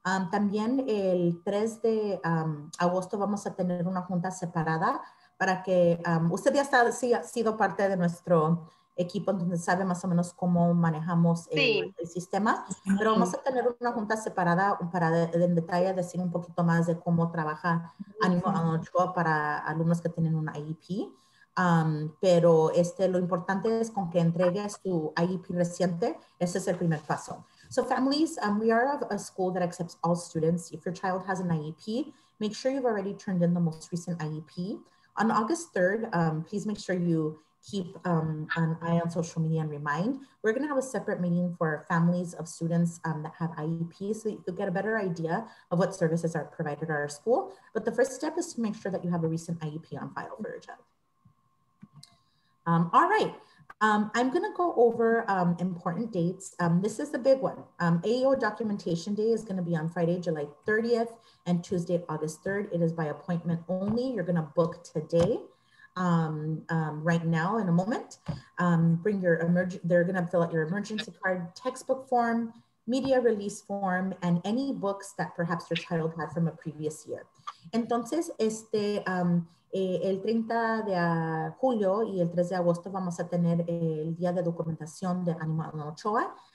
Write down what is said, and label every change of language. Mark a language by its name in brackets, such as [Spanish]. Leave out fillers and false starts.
[Spanish] También el 3 de agosto vamos a tener una junta separada para que usted ya ha sido parte de nuestro equipo, donde sabe más o menos cómo manejamos el sistema, pero vamos a tener una junta separada para en detalle decir un poquito más de cómo trabaja Ánimo Ochoa para alumnos que tienen un IEP, pero lo importante es con que entregues tu IEP reciente. Ese es el primer paso. [English] So families, we are a school that accepts all students. If your child has an IEP, make sure you've already turned in the most recent IEP. On August 3rd, please make sure you keep an eye on social media and remind. We're gonna have a separate meeting for families of students that have IEPs so you'll get a better idea of what services are provided at our school. But the first step is to make sure that you have a recent IEP on file for your child. All right, I'm gonna go over important dates. This is the big one. AEO documentation day is gonna be on Friday, July 30th and Tuesday, August 3rd. It is by appointment only. You're gonna book today. Right now, in a moment, bring your they're going to fill out your emergency card, textbook form, media release form, and any books that perhaps your child had from a previous year. [Spanish] Entonces, el 30 de julio y el 3 de agosto vamos a tener el día de documentación de Ánimo Ochoa.